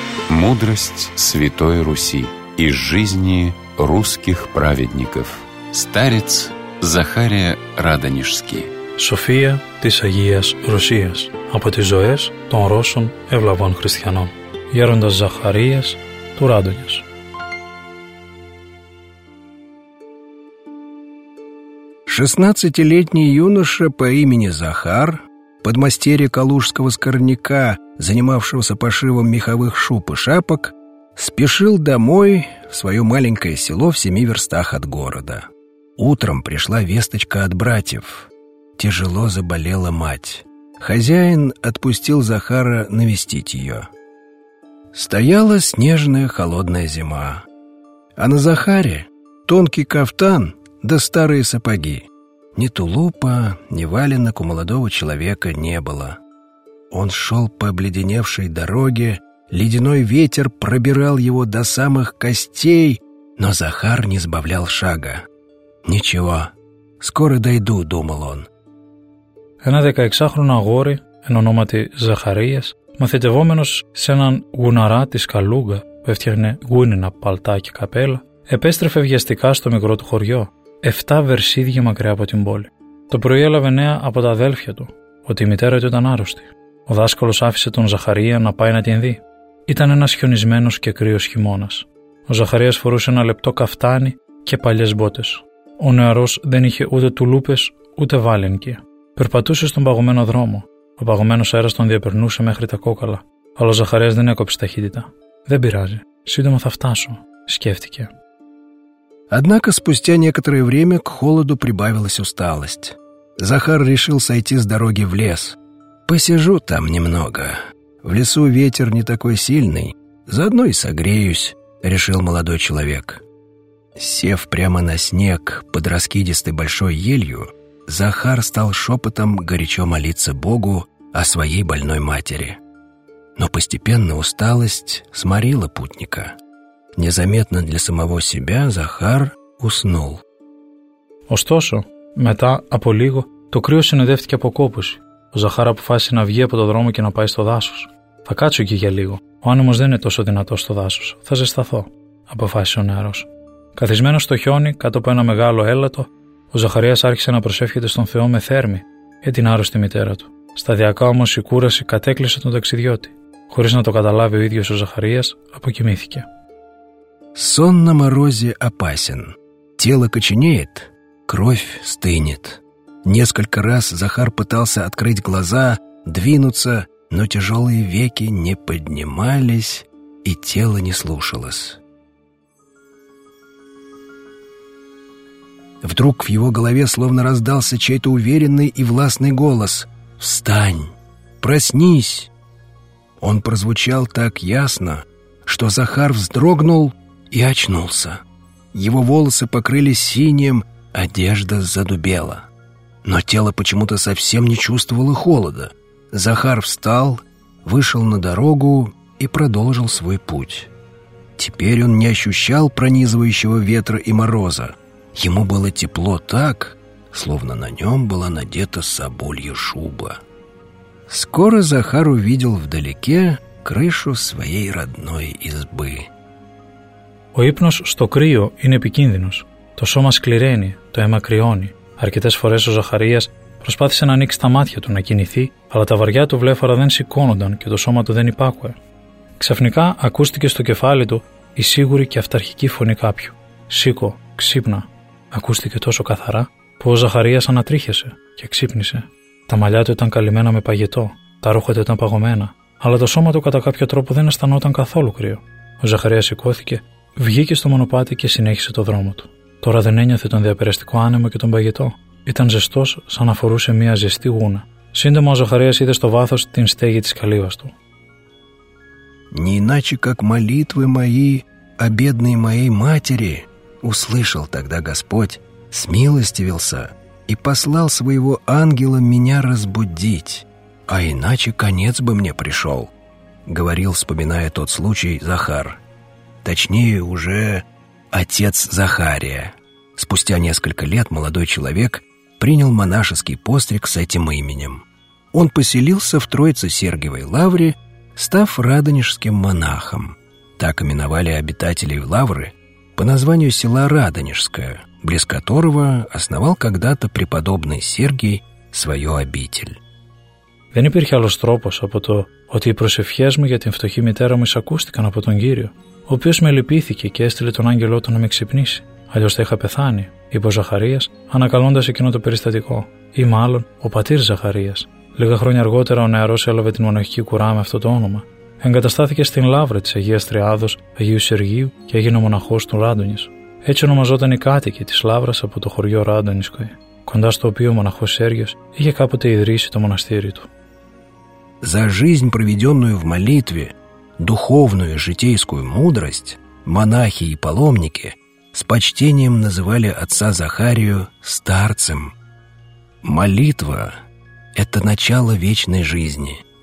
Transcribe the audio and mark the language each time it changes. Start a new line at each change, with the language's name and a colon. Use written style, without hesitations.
Russian: Мудрость Святой Руси из жизни русских праведников. Старец Захария Радонежский.
Greek: София της Агίας Ρωσίας. Από τις ζωές των Ρώσων ευλαβών χριστιανών. Γέροντας Ζαχαρίας του Ράδωνιος.
Russian: Шестнадцатилетний юноша по имени Захар, подмастерье калужского скорняка, занимавшегося пошивом меховых шуб и шапок, спешил домой, в свое маленькое село в 7 верстах от города. Утром пришла весточка от братьев. Тяжело заболела мать. Хозяин отпустил Захара навестить ее. Стояла снежная холодная зима. А на Захаре тонкий кафтан да старые сапоги. Ни тулупа, ни валенок у молодого человека не было. Он шел по обледеневшей дороге, ледяной ветер пробирал его до самых костей, но Захар не сбавлял шага. «Ничего, скоро дойду», — думал он.
Greek: Ένα 16χρονο αγόρι, εν ονόματι Ζαχαρίας, μαθητευόμενος σε έναν γουναρά της Καλούγκα που έφτιαχνε γούνινα παλτά και καπέλα, επέστρεφε βιαστικά στο μικρό του χωριό, 7 βερσίδια μακριά από την πόλη. Το πρωί έλαβε νέα από τα αδέλφια του, ότι η μητέρα του ήταν άρρωστη. Ο δάσκαλος άφησε τον Ζαχαρία να πάει να την δει. Ήταν ένας χιονισμένος και κρύος χειμώνας. Ο Ζαχαρίας φορούσε ένα λεπτό καφτάνι και παλιές μπότες. Ο νεαρός δεν είχε ούτε τουλούπες ούτε βάλενκι. Περπατούσε στον παγωμένο δρόμο. Ο παγωμένος αέρας τον διαπερνούσε μέχρι τα κόκαλα. Αλλά ο Ζαχαρίας δεν έκοψε ταχύτητα. «Δεν πειράζει. Σύντομα θα φτάσω», σκέφτηκε.
Russian: Однако спустя некоторое время к холоду прибавилась усталость. Захар решил сойти с дороги в лес. «Посижу там немного. В лесу ветер не такой сильный. Заодно и согреюсь», — решил молодой человек. Сев прямо на снег под раскидистой большой елью, Захар стал шепотом горячо молиться Богу о своей больной матери. Но постепенно усталость сморила путника. Незаметно для самого себя Захар уснул.
Greek: Ωστόσο, μετά από λίγο, το κρύο συνοδεύτηκε από κόπωση. Ο Ζαχάρ αποφάσισε να βγει από το δρόμο και να πάει στο δάσος. «Θα κάτσω εκεί για λίγο. Ο άνεμος δεν είναι τόσο δυνατός στο δάσος. Θα ζεσταθώ», αποφάσισε ο νεαρός. Καθισμένος στο χιόνι, κάτω από ένα μεγάλο έλατο, ο Ζαχαρίας άρχισε να προσεύχεται στον Θεό με θέρμη για την άρρωστη μητέρα του. Σταδιακά όμως η κούραση κατέκλυσε τον ταξιδιώτη. Χωρίς να το καταλάβει ο ίδιος ο Ζαχαρίας, αποκοιμήθηκε.
Russian: Сон на морозе опасен. Тело коченеет, кровь стынет. Несколько раз Захар пытался открыть глаза, двинуться, но тяжелые веки не поднимались, и тело не слушалось. Вдруг в его голове словно раздался чей-то уверенный и властный голос: «Встань! Проснись!» Он прозвучал так ясно, что Захар вздрогнул и очнулся. Его волосы покрылись синим, одежда задубела. Но тело почему-то совсем не чувствовало холода. Захар встал, вышел на дорогу и продолжил свой путь. Теперь он не ощущал пронизывающего ветра и мороза. Ему было тепло так, словно на нем была надета соболья шуба. Скоро Захар увидел вдалеке крышу своей родной избы.
Greek: Ο ύπνος στο κρύο είναι επικίνδυνος. Το σώμα σκληραίνει, το αίμα κρυώνει. Αρκετές φορές ο Ζαχαρίας προσπάθησε να ανοίξει τα μάτια του, να κινηθεί, αλλά τα βαριά του βλέφαρα δεν σηκώνονταν και το σώμα του δεν υπάκουε. Ξαφνικά ακούστηκε στο κεφάλι του η σίγουρη και αυταρχική φωνή κάποιου. «Σήκω, ξύπνα». Ακούστηκε τόσο καθαρά που ο Ζαχαρίας ανατρίχιασε και ξύπνησε. Τα μαλλιά του ήταν καλυμμένα με παγετό, τα ρούχα του ήταν παγωμένα, αλλά το σώμα του κατά κάποιο τρόπο δεν αισθανόταν καθόλου κρύο. Ο Ζαχαρίας σηκώθηκε, βγήκε στο μονοπάτι και συνέχισε το δρόμο του. Τώρα δεν ένιωθε τον διαπεραστικό άνεμο και τον παγετό. Ήταν ζεστός, σαν να φορούσε μια ζεστή γούνα. Σύντομα ο Ζαχαρίας είδε στο βάθος την στέγη της καλύβας του.
Russian: «Не иначе как молитвы мои, о бедной моей матери, услышал тогда Господь, смилостивился и послал своего ангела меня разбудить, а иначе конец бы мне пришел», говорил, вспоминая тот случай, Захар. Точнее, уже отец Захария. Спустя несколько лет молодой человек принял монашеский постриг с этим именем. Он поселился в Троице-Сергиевой лавре, став радонежским монахом. Так именовали обитателей лавры по названию села Радонежское, близ которого основал когда-то преподобный Сергий свою обитель.
Greek: «Δεν υπήρχε άλλος τρόπος από το ότι οι προσευχές μου για την φτωχή μητέρα μου εισακούστηκαν από τον Κύριο, ο οποίος με λυπήθηκε και έστειλε τον άγγελό του να με ξυπνήσει. Αλλιώς θα είχα πεθάνει», είπε ο Ζαχαρίας, ανακαλώντας εκείνο το περιστατικό. Ή μάλλον, ο πατήρ Ζαχαρίας. Λίγα χρόνια αργότερα ο νεαρός έλαβε την μοναχική κουρά με αυτό το όνομα. Εγκαταστάθηκε στην Λαύρα της Αγίας Τριάδος Αγίου Σεργίου και έγινε ο μοναχός του Ράντονης. Έτσι ονομαζόταν η κάτοικη της Λαύρας από το χωριό Ράντονισκοι, κοντά στο οποίο ο μοναχός Σέργιος είχε κάποτε ιδρύσει το μοναστήρι του.
Russian: «За жизнь, проведенную в молитве, духовную житейскую мудрость, монахи и паломники с почтением называли отца Захарию старцем. Молитва – это начало вечной жизни.